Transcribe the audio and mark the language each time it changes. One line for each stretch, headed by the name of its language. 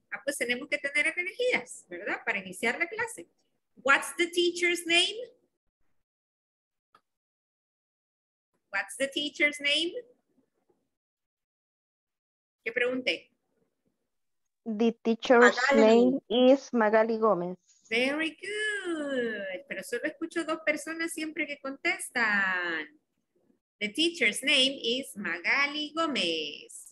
Spanish: Pues tenemos que tener energías, ¿verdad? Para iniciar la clase.
English: What's the teacher's name? What's the teacher's name?
Spanish: ¿Qué pregunté?
English: The teacher's name is Magali Gómez. Very good.
Spanish: Pero solo escucho dos personas siempre que contestan.
English: The teacher's name is Magali Gómez.